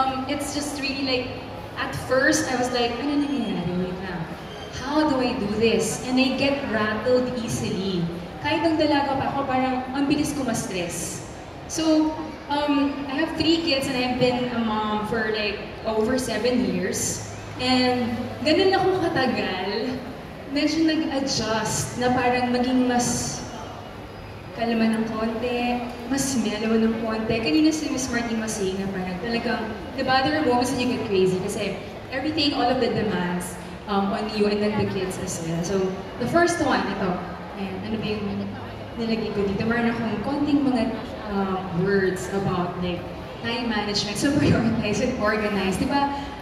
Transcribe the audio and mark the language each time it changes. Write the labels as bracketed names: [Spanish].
[English] It's just really like, at first, I was like, [Filipino] ano nangyayari? [English] Wait lang. How do I do this? And I get rattled easily. [Filipino] Kahit ang dalaga pa ako, parang ang bilis ko ma-stress. [English] So, I have 3 kids and I've been a mom for like over 7 years. [Filipino] And ganun na akong katagal, medyo nag-adjust na parang maging mas kalma ng konti, mas mellow ng konti. Kanina si Ms. [English] Martin was saying [Filipino] na parang talagang, [English] the bother moments and you get crazy [Filipino] kasi [English] everything, all of the demands on you and then the kids as well. So, the first one, [Filipino] ito. Ayan, ano ba yung nilagay ko dito? Meron akong konting mga [English] words about like time management, so prioritize and organize. [Filipino] Diba?